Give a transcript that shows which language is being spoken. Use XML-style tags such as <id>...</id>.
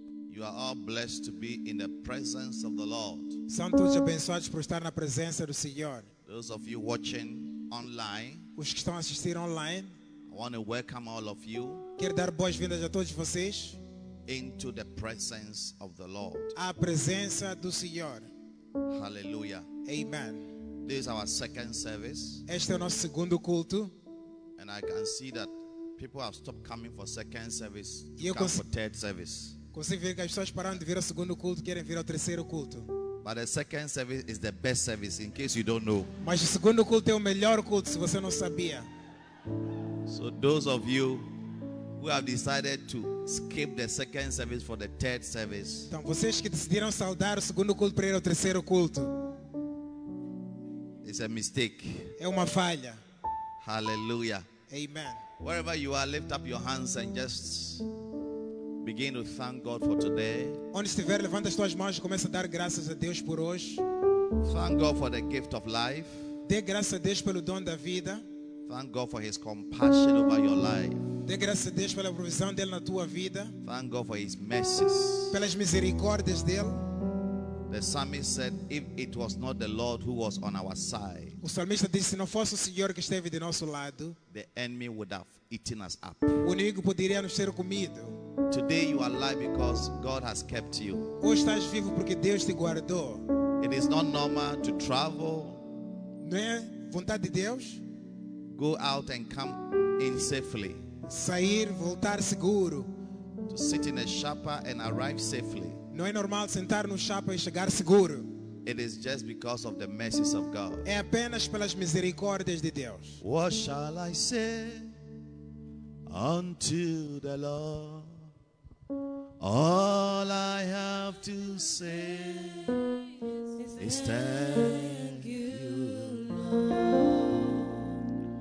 <en>You are all blessed to be in the presence of the Lord.</en> <pt>Santos abençoados por estar na presença do Senhor.</pt> <en>Those of you watching online,</en> <pt>os que estão a assistir online,</pt> <en>I want to welcome all of you.</en> <pt>Quero dar boas-vindas a todos vocês.</pt> <en>Into the presence of the Lord.</en> <pt>A presença do Senhor. Hallelujah. Amen.</pt> <en>This is our second service.</en> <pt>Este é o nosso segundo culto.</pt> <en>And I can see that people have stopped coming for second service to come for third service.</en> <pt>Consigo ver que as pessoas pararam de vir ao segundo culto, querem vir ao terceiro culto.</pt> <en>But the second service is the best service, in case you don't know.</en> <pt>Mas o segundo culto é o melhor culto, se você não sabia.</pt> <en>So those of you who have decided to skip the second service for the third service.</en> <pt>Então vocês que decidiram saudar o segundo culto para ir ao terceiro culto.</pt> <en>It's a mistake.</en> <pt>É uma falha. Hallelujah. Amen.</pt> <en>Wherever you are, lift up your hands and just begin to thank God for today.</en> <pt>Onde estiver, levanta as tuas mãos e começa a dar graças a Deus por hoje.</pt> <en>Thank God for the gift of life.</en> <pt>Dê graças a Deus pelo dom da vida.</pt> <en>Thank God for His compassion over your life.</en> <pt>Dê graças a Deus pela provisão dele na tua vida.</pt> <en>Thank God for His mercies.</en> <pt>Pelas misericórdias dele.</pt> <en>The psalmist said, "If it was not the Lord who was on our side."</en> <pt>O salmista disse, se não fosse o Senhor que esteve de nosso lado,</pt> <en>the enemy would have eaten us up.</en> <pt>O inimigo poderia nos ter comido.</pt> <en>Today you are alive because God has kept you.</en> <pt>Hoje estás vivo porque Deus te guardou.</pt> <en>It is not normal to travel.</en> <pt>Não é vontade de Deus?</pt> <en>Go out and come in safely.</en> <pt>Sair, voltar seguro.</pt> <en>To sit in a chapa and arrive safely.</en> <pt>Não é normal sentar no chapa e chegar seguro.</pt> <en>It is just because of the mercies of God.</en> <pt>É apenas pelas misericórdias de Deus.</pt> <en>What shall I say unto the Lord? All I have to say is thank you, Lord.</en>